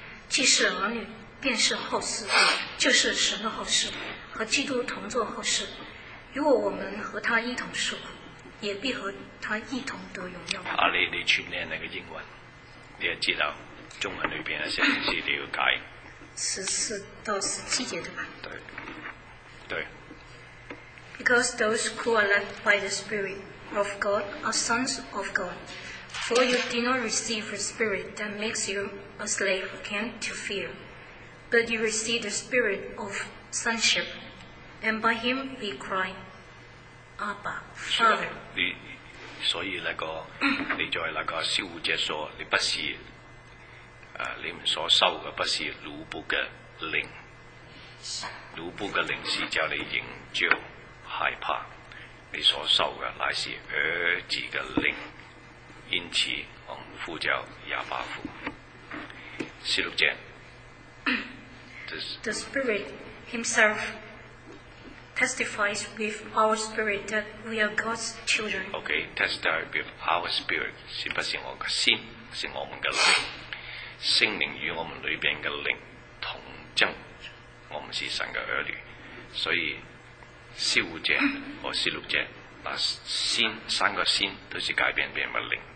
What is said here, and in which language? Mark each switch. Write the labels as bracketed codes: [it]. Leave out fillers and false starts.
[zh] 既是儿女，便是后嗣，就是神的后嗣，和基督同作后嗣。如果我们和他一同受苦，也必和他一同得荣耀。阿里，你去念那个英文，你要知道中文里边的圣经是你要解。十四到十七节对吧？对，对。 [en] Because those who are led by the Spirit of God are sons of God. For you did not receive a spirit that makes you a slave again to fear. But you receive the spirit of sonship, and by him we cry, Abba, Father. [zh] 所以那个你在那个十五节说，你不是你们所受的不是奴仆的灵，奴仆的灵是叫你仍旧害怕，你所受的乃是儿子的灵，因此我们呼叫亚爸父。十六节。 [en] The Spirit Himself testifies with our spirit that we are God's children. Okay, testify with our spirit. [zh] 是不是我的心，是我们的灵，圣灵与我们里边的灵同证，我们是神的儿女。所以十五节和十六节，那心三个心都是改变变为灵。